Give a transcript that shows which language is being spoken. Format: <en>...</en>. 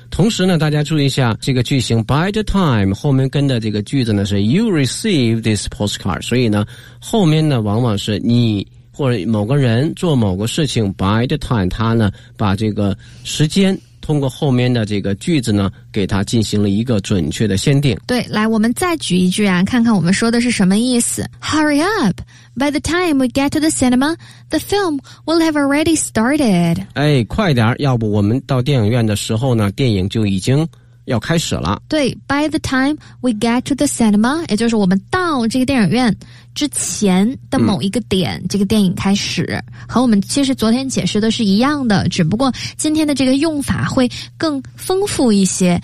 <zh>同时呢大家注意一下这个句型 by the time 后面跟的这个句子呢是</zh> <en>you receive this postcard，</en> <zh>所以呢后面呢往往是你或者某个人做某个事情 by the time 他呢把这个时间通过后面的这个句子呢给他进行了一个准确的限定。对，来我们再举一句啊，看看我们说的是什么意思。</zh> <en>Hurry up, by the time we get to the cinema, the film will have already started.</en> <zh>哎，快点，要不我们到电影院的时候呢电影就已经要开始了。对，</zh> <en>by the time we get to the cinema，</en> <zh>也就是我们到这个电影院之前的某一个点、嗯、这个电影开始，和我们其实昨天解释的是一样的，只不过今天的这个用法会更丰富一些、</zh>